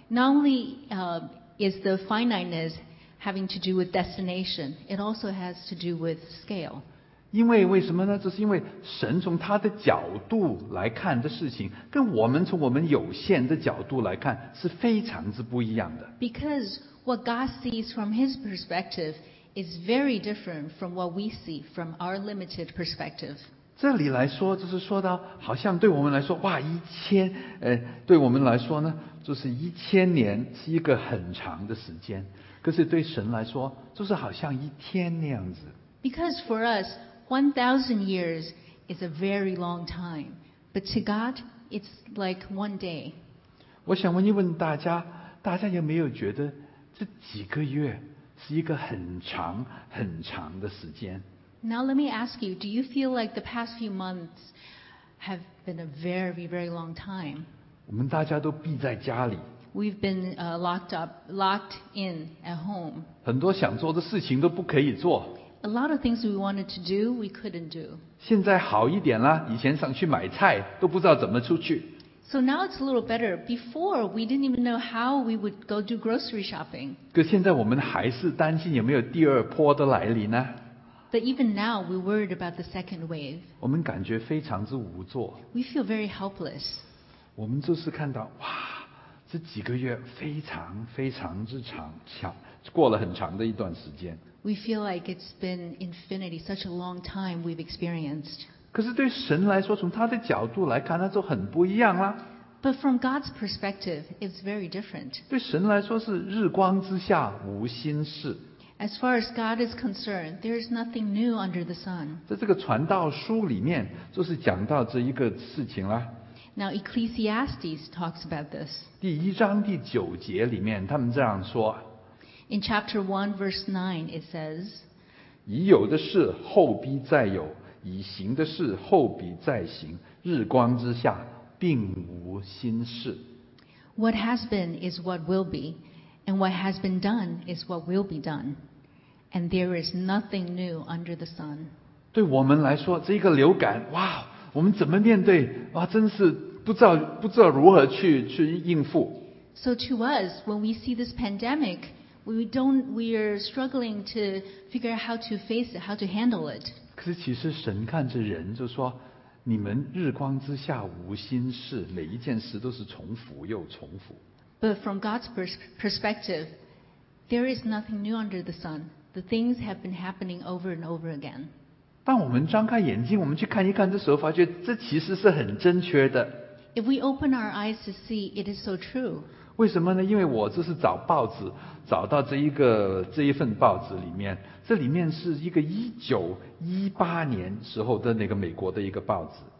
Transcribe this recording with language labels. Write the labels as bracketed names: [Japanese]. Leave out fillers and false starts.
[English] Not only is the finiteness having to do with destination, it also has to do with scale. [Chinese] 因为为什么呢？这是因为神从他的角度来看的事情，跟我们从我们有限的角度来看是非常之不一样的。 [English] Because what God sees from His perspective is very different from what we see from our limited perspective. [Chinese] 这里来说就是说到好像对我们来说哇一千对我们来说呢就是一千年是一个很长的时间可是对神来说就是好像一天那样子 [English] Because for us 1,000 years is a very long time But to God it's like one day [Chinese] 我想问一问大家大家有没有觉得这几个月是一个很长很长的时间 [English] Now let me ask you, do you feel like the past few months have been a very, very long time? [Chinese] 我们大家都闭在家里。 [English] We've been locked in at home. [Chinese] 很多想做的事情都不可以做。 [English] A lot of things we wanted to do, we couldn't do. [Chinese] 现在好一点了，以前想去买菜都不知道怎么出去。 [English] So now it's a little better. Before, we didn't even know how we would go do grocery shopping. [Chinese] 可现在我们还是担心有没有第二波的来临呢？ [English] But even now, we worried about the second wave. [Chinese] 我们感觉非常之无助。 [English] We feel very helpless. [Chinese] 我们就是看到，哇，这几个月非常非常之长，过了很长的一段时间。 [English] We feel like it's been infinity, such a long time we've experienced. [Chinese] 可是对神来说，从他的角度来看，那就很不一样啦。 [English] But from God's perspective, it's very different. [Chinese] 对神来说是日光之下无新事。 [English] As far as God is concerned, there is nothing new under the sun. [Chinese] 在这个传道书里面，就是讲到这一个事情了。 [English] Now Ecclesiastes talks about this. [Chinese] 第一章第九节里面，他们这样说。 [English] In chapter 1, verse 9, it says, [Chinese] 已有的事后必再有，已行的事后必再行，日光之下并无新事。 [English] What has been is what will be. And what has been done is what will be done. And there is nothing new under the sun. [Chinese] 对我们来说，这个流感，哇，我们怎么面对？哇，真是不知道如何去应付。 [English] So to us, when we see this pandemic, we are struggling to figure out how to face it, how to handle it. [Chinese] 可是其实神看着人就说，你们日光之下无新事，每一件事都是重复又重复。 [English] But from God's perspective, there is nothing new under the sun. The things have been happening over and over again. [Chinese] 当我们张开眼睛，我们去看一看的时候，发觉这其实是很真切的。 [English] If we open our eyes to see, it is so true. [Chinese] 为什么呢？因为我这是找报纸，找到这一份报纸里面，这里面是一个1918年时候的那个美国的一个报纸。